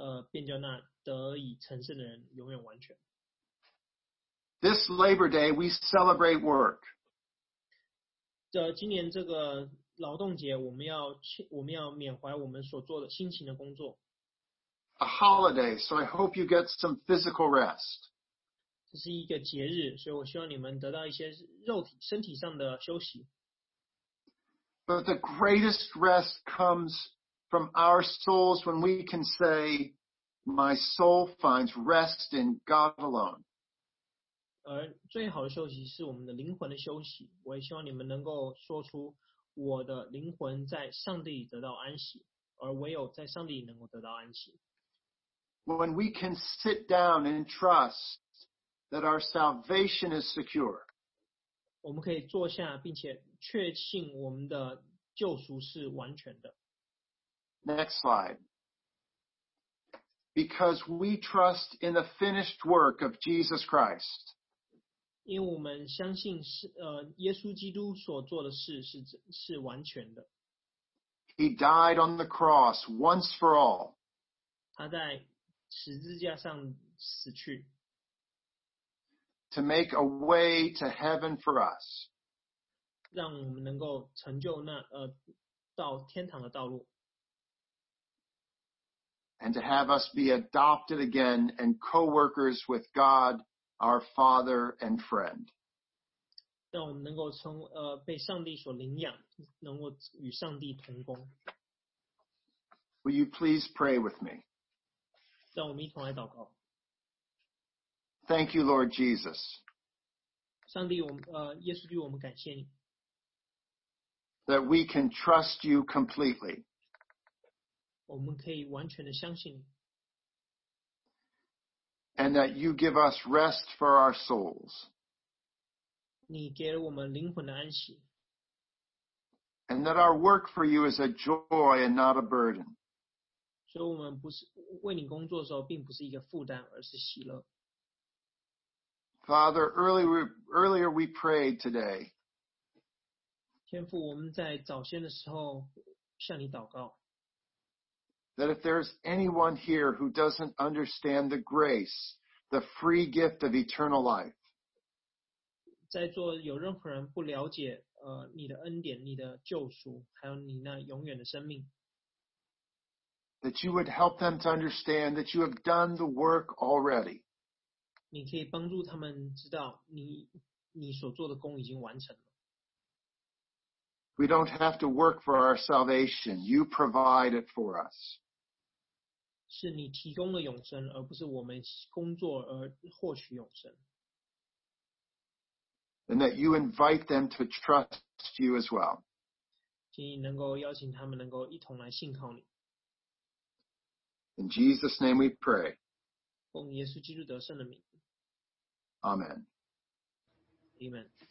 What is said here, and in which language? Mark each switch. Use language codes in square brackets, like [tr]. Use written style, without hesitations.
[zh] 便叫那得以成圣的人永远完全。 [en] This Labor Day, we celebrate work. [zh] 今年这个劳动节，我们要缅怀我们所做的辛勤的工作。 [en] A holiday, so I hope you get some physical rest. [zh] 这是一个节日，所以我希望你们得到一些肉体、身体上的休息。 [en] But the greatest rest comes from our souls when we can say, "My soul finds rest in God alone." [zh] 而最好的休息是我们的灵魂的休息。我也希望你们能够说出我的灵魂在上帝里得到安息，而唯有在上帝里能够得到安息。 [en] When we can sit down and trust that our salvation is secure, [zh] 我们可以坐下并且确信我们的救赎是完全的。 [en] Next slide. Because we trust in the finished work of Jesus Christ. [zh] 因为我们相信耶稣基督所做的事 是完全的。 [en] He died on the cross once for all. [zh] 他在十字架上死去。 [en] To make a way to heaven for us. [zh] 让我们能够成就那到天堂的道路。 [en] And to have us be adopted again and co-workers with God. Our father and friend. [zh] 让我们能够从被上帝所领养，能够与上帝同工。 [en] Will you please pray with me? [zh] 让我们一同来祷告。 [en] Thank you, Lord Jesus. [zh] 上帝，耶稣基督，我们感谢你。 [en] That we can trust you completely. [zh] 我们可以完全的相信你。 [en] And that you give us rest for our souls. [zh] 你给了我们灵魂的安息。 [en] And that our work for you is a joy and not a burden. [zh] 所以我们不是为你工作的时候并不是一个负担而是喜乐。 [en] Father, earlier we prayed today. [zh] 天父我们在早先的时候向你祷告。 [en] That if there's anyone here who doesn't understand the grace, the free gift of eternal life. [zh] 在座有任何人不了解你的恩典你的救赎还有你那永远的生命。 [en] That you would help them to understand that you have done the work already. [zh] 你可以帮助他们知道 你所做的工已经完成了。 [en] We don't have to work for our salvation. You provide it for us. [zh] 是你提供了永生而不是我们工作而获取永生。 [en] And that you invite them to trust you as well. [zh] 请你能够邀请他们能够一同来信靠你。 [en] In Jesus' name we pray. [zh] 奉耶稣基督得胜的名。 [en] Amen. Amen.